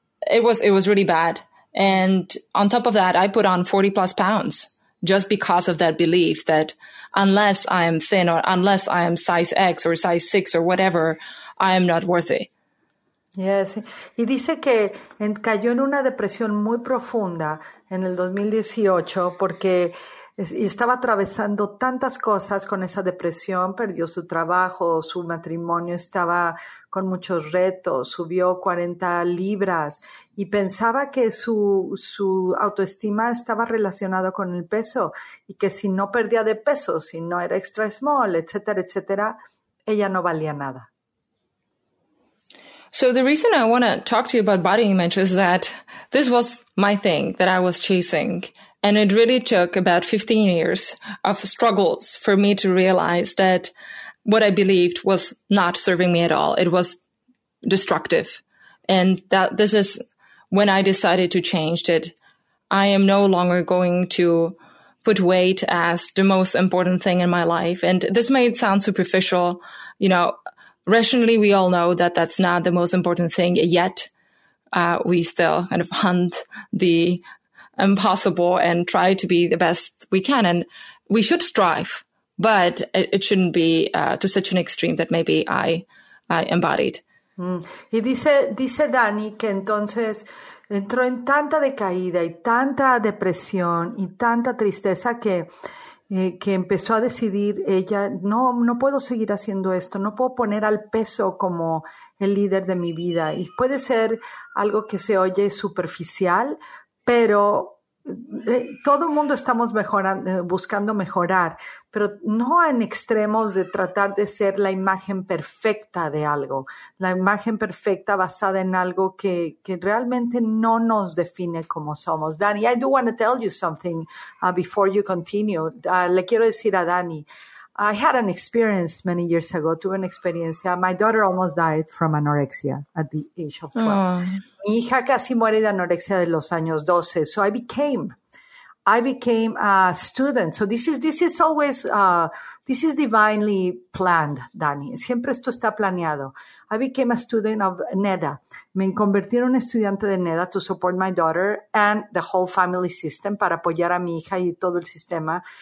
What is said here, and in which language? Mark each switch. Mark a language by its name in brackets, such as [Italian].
[English] It was really bad. And on top of that, I put on 40 plus pounds just because of that belief that unless I am thin or unless I am size X or size 6 or whatever, I am not worthy. Yes. [Spanish] Y dice que cayó en una depresión muy profunda en el 2018 porque estaba atravesando tantas cosas con esa depresión, perdió su trabajo, su matrimonio estaba con muchos retos, subió 40 libras y pensaba que su autoestima estaba relacionada con el peso y que si no perdía de peso, si no era extra small, etcétera, etcétera, ella no valía nada. [English] So the reason I want to talk to you about body image is that this was my thing that I was chasing. And it really took about 15 years of struggles for me to realize that what I believed was not serving me at all. It was destructive. And that this is when I decided to change it. I am no longer going to put weight as the most important thing in my life. And this may sound superficial, you know, rationally, we all know that that's not the most important thing, yet we still kind of hunt the impossible and try to be the best we can. And we should strive, but it shouldn't be to such an extreme that maybe I embodied. [Spanish] Y dice Dani que entonces entró en tanta decaída y tanta depresión y tanta tristeza que empezó a decidir ella, no puedo seguir haciendo esto, no puedo poner al peso como el líder de mi vida. Y puede ser algo que se oye superficial, pero todo mundo estamos buscando mejorar, pero no en extremos de tratar de ser la imagen perfecta de algo, la imagen perfecta basada en algo que realmente no nos define como somos. [English] Dani, I do want to tell you something before you continue. [Spanish] Le quiero decir a Dani, [English] I had an experience many years ago, [Spanish] tuve una experiencia. [English] My daughter almost died from anorexia at the age of 12. [Spanish] Mi hija casi muere de anorexia de los años 12. [English] So I became a student. So this is always, this is divinely planned, Dani. [Spanish] Siempre esto está planeado. [English] I became a student of NEDA. [Spanish] Me convertí en un estudiante de NEDA [English] to support my daughter and the whole family system [Spanish] para apoyar a mi hija y todo el sistema.